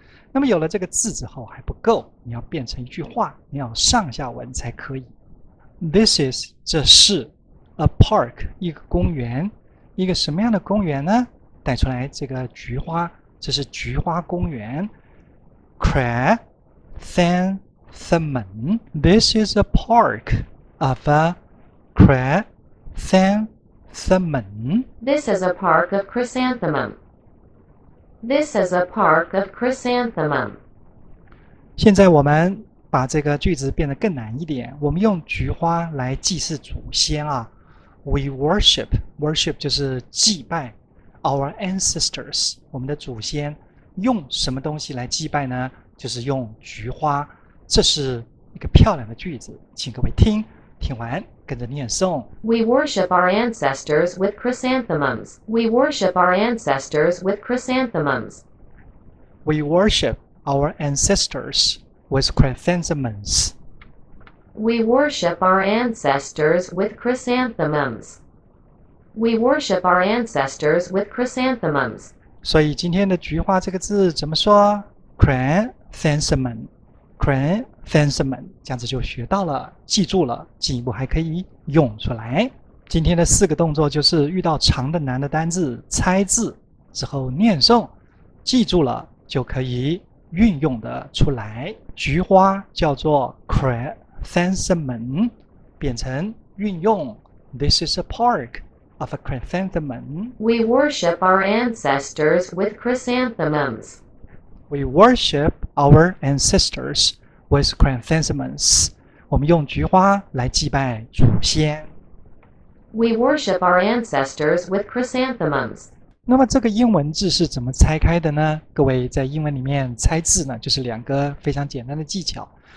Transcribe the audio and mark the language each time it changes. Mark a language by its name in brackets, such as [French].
[Chinese] 那么有了这个字之后还不够，你要变成一句话，你要上下文才可以。 [English] This is [Chinese] 这是 [English] a park [Chinese] 一个公园，一个什么样的公园呢？带出来这个菊花，这是菊花公园。 [English] Chrysanthemum. This is a park of a chrysanthemum. This is a park of chrysanthemum. This is a park of chrysanthemum. [Chinese] 现在我们把这个句子变得更难一点。我们用菊花来祭祀祖先啊。 [English] We worship, worship [Chinese] 就是祭拜 [English] our ancestors, [Chinese] 我们的祖先。用什么东西来祭拜呢？就是用菊花。这是一个漂亮的句子，请各位听。听完跟着念诵。 [English] We worship our ancestors with chrysanthemums. We worship our ancestors with chrysanthemums. We worship our ancestors with chrysanthemums. We worship our ancestors with chrysanthemums. We worship our ancestors with chrysanthemums. [Chinese] 所以今天的菊花这个字怎么说 ？Chrysanthemum。 Chrysanthemum， 这样子就学到了，记住了，进一步还可以用出来。今天的四个动作就是遇到长的难的单字，猜字之后念诵，记住了就可以运用的出来。菊花叫做 chrysanthemum， 变成运用。 [English] This is a park of a chrysanthemum. We worship our ancestors with chrysanthemums. We worship our ancestors. With chrysanthemums， [Chinese] 我们用菊花来祭拜祖先。 [English] We worship our ancestors with chrysanthemums。 [Chinese] 那么这个英文字是怎么拆开的呢？各位在英文里面拆字呢，就是两个非常简单的技巧。